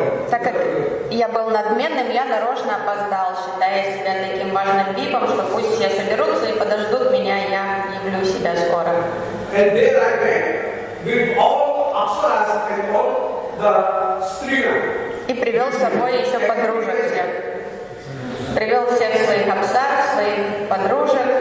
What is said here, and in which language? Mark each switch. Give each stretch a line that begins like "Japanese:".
Russian: Так как я был надменным, я нарочно опоздал, считая себя таким важным випом, что пусть все соберутся и подождут меня, я явлю себя скоро.
English: And there I went with all apsaras and all the striram.
Russian: И привел с собой еще подружек всех. Привел всех своих апсар, своих подружек.